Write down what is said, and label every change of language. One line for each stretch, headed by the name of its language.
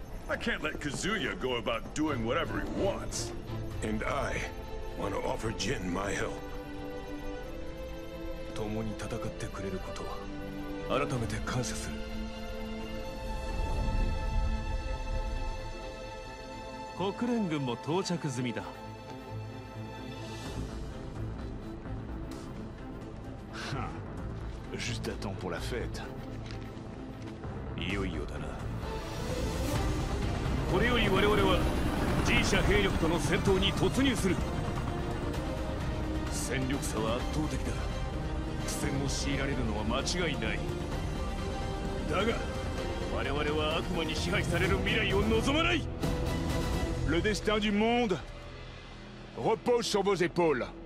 English: I can't let Kazuya go about doing whatever he wants. And I want to offer Jin my help.
Japanese: 共に戦ってくれることは改めて感謝する。国連軍も到着済みだ。
French: Juste à temps pour la fête. Yo-yo da na.
Japanese: これより我々は G 社兵力との戦闘に突入する。戦力差は圧倒的だ。苦戦を強いられるのは間違いない。だが我々は悪魔に支配される未来を望まない。
French: Le destin du monde repose sur vos épaules。